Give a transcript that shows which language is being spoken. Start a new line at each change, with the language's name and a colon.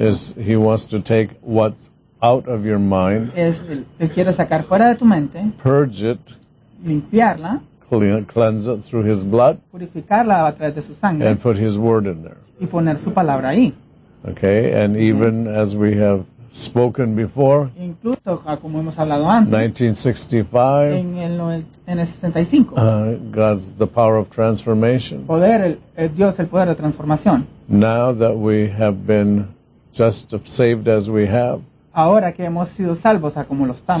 English: Is he wants to take what's out of your mind.
Spanish: Es el quiere sacar fuera de tu mente.
English: Purge it.
Spanish: Limpiarla.
English: Cleanse it through his blood.
Spanish: Purificarla a través de su sangre.
English: And put his word in there.
Spanish: Y poner su palabra ahí.
English: Okay, and okay. even as we have spoken before.
Spanish: Incluso como hemos hablado antes.
English: 1965.
Spanish: En el 65.
English: God's the power of transformation.
Spanish: Poder, el Dios, el poder de transformación.
English: Now that we have been just saved as we have.
Spanish: Ahora que hemos sido salvos a como lo estamos.